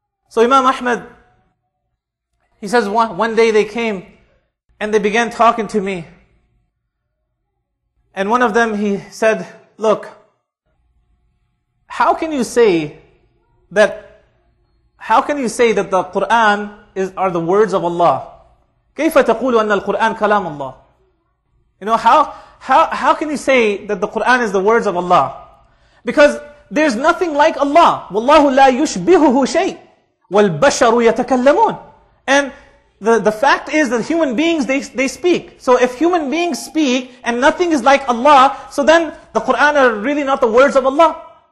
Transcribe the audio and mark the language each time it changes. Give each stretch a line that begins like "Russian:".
English: So Imam Ahmad, he says, one day they came and they began talking to me. And one of them, he said, look, how can you say that how can you say that the Quran are the words of Allah?
Arabic: كيف تقول أن القرآن كلام الله?
English: You know, how can you say that the Quran is the words of Allah? Because there's nothing like Allah.
Arabic: وَاللَّهُ لَا يُشْبِهُهُ شَيْءٍ وَالْبَشَرُ يَتَكَلَّمُونَ.
English: And the fact is that human beings, they speak. So if human beings speak and nothing is like Allah, so then the Quran are really not the words of Allah.